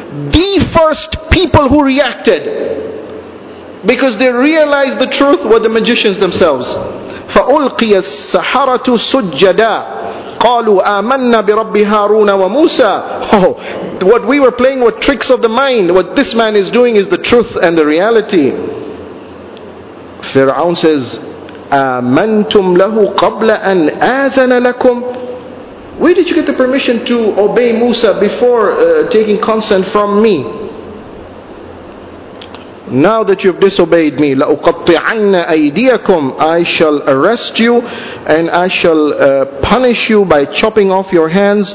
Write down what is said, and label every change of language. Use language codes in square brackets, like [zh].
[en] The first people who reacted, because they realized the truth, were the magicians themselves. [ar] فَأُلْقِيَ السَّحَرَةُ سُجَّدًا قَالُوا آمَنَّا بِرَبِّ هَارُونَ وَمُوسَى. [en] Oh, what we were playing were tricks of the mind. What this man is doing is the truth and the reality. Fir'aun says, [ar] آمَنْتُمْ لَهُ قَبْلَ أَنْ آذَنَ لَكُمْ. [en] Where did you get the permission to obey Musa before taking consent from me? Now that you've disobeyed me, [ar] لَأُقَطِّعَنَّ أَيْدِيَكُمْ. [en] I shall arrest you and I shall punish you by chopping off your hands.